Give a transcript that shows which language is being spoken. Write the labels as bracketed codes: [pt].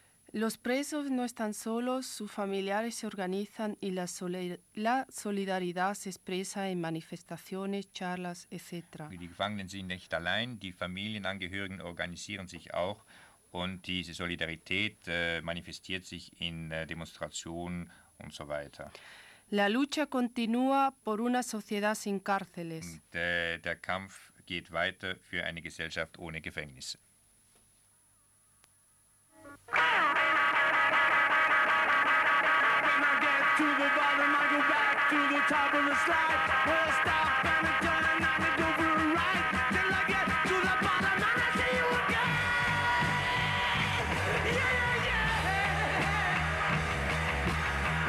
[es] Los presos no están solos, sus familiares se organizan y la solidaridad se expresa en manifestaciones, charlas, etc. [de] Die Gefangenen sind nicht allein, die Familienangehörigen organisieren sich auch und diese Solidarität manifestiert sich in Demonstrationen und so weiter. [es] La lucha continúa por una sociedad sin cárceles. [de] Der Kampf geht weiter für eine Gesellschaft ohne Gefängnisse. [en] To the bottom, I go back to the top of the slide. Well, stop and I turn and I go for a ride. Till I get to the bottom and I see you again. Yeah, yeah, yeah.